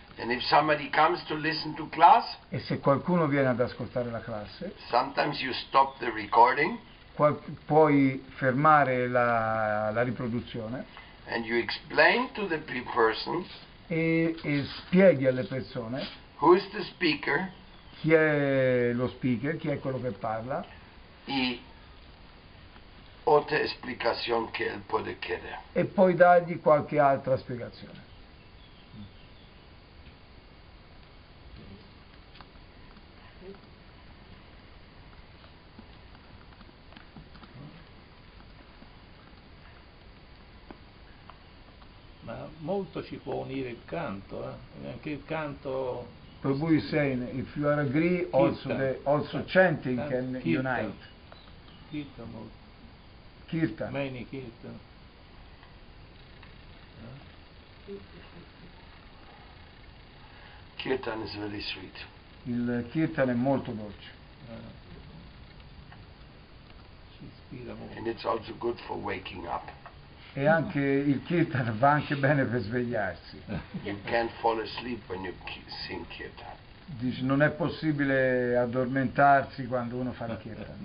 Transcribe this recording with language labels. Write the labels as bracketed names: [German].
[English] And if somebody comes to listen to class, [Italian] e se qualcuno viene ad ascoltare la classe, [English] sometimes you stop the recording, [Italian] puoi fermare la riproduzione. [English] And you explain to the person, [Italian] e spieghi alle persone [English] who is the speaker. [Italian] Chi è lo speaker? Chi è quello che parla? E altre spiegazioni che il può chiedere. E poi dargli qualche altra spiegazione. Ma molto ci può unire il canto, eh? Anche il canto. [English] Prabhu is saying, if you are agree, also chanting can kirtan. Unite. Kirtan. Kirtan. Many kirtan. Kirtan is very sweet. [Italian] Il kirtan è molto dolce. Ci ispira molto. [English] And it's also good for waking up. [Italian] E anche il kirtan va anche bene per svegliarsi. [English] You can't fall asleep when you sing kirtan. [Italian] Dice, non è possibile addormentarsi quando uno fa il kirtan.